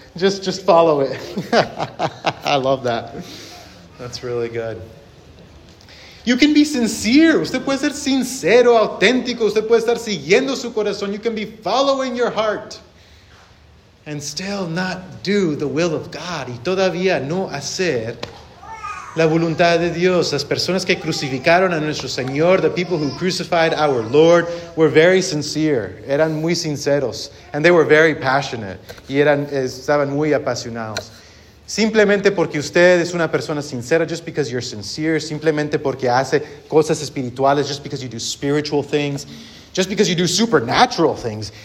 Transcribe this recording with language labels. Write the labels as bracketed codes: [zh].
[en] Just follow it. I love that. That's really good. You can be sincere. [es] Usted puede ser sincero, auténtico. Usted puede estar siguiendo su corazón. [en] You can be following your heart. And still not do the will of God. [es] Y todavía no hacer la voluntad de Dios. Las personas que crucificaron a nuestro Señor, [en] the people who crucified our Lord, were very sincere. [es] Eran muy sinceros. [en] And they were very passionate. [es] Y estaban muy apasionados. Simplemente porque usted es una persona sincera, [en] just because you're sincere, [es] simplemente porque hace cosas espirituales, [en] just because you do spiritual things, just because you do supernatural things.